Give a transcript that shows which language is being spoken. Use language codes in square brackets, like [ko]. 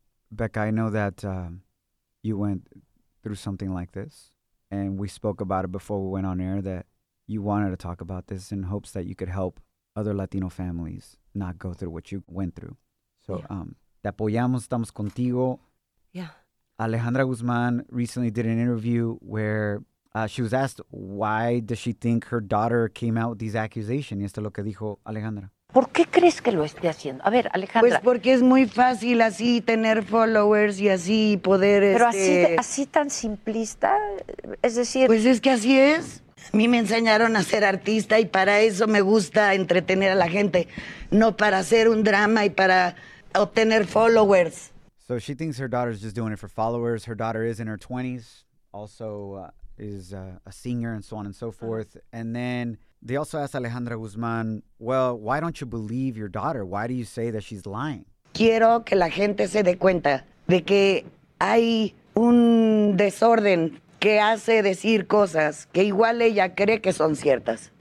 [en] Becca, I know that you went through something like this, and we spoke about it before we went on air, that you wanted to talk about this in hopes that you could help other Latino families not go through what you went through. [es] So, te apoyamos, estamos contigo. [en] Yeah. Alejandra Guzmán recently did an interview where she was asked, why does she think her daughter came out with these accusations? [es] Y esto es lo que dijo Alejandra. ¿Por qué crees que lo esté haciendo? A ver, Alejandra. Pues porque es muy fácil así tener followers y así poder... Pero así tan simplista, es decir... Pues es que así es. A mí me enseñaron a ser artista y para eso me gusta entretener a la gente, no para hacer un drama y para obtener followers. [en] So she thinks her daughter's just doing it for followers. Her daughter is in her 20s, also is a singer and so on and so forth. And then they also asked Alejandra Guzmán, well, why don't you believe your daughter? Why do you say that she's lying? [es] Quiero que la gente se dé cuenta de que hay un desorden que hace decir cosas que igual ella cree que son ciertas.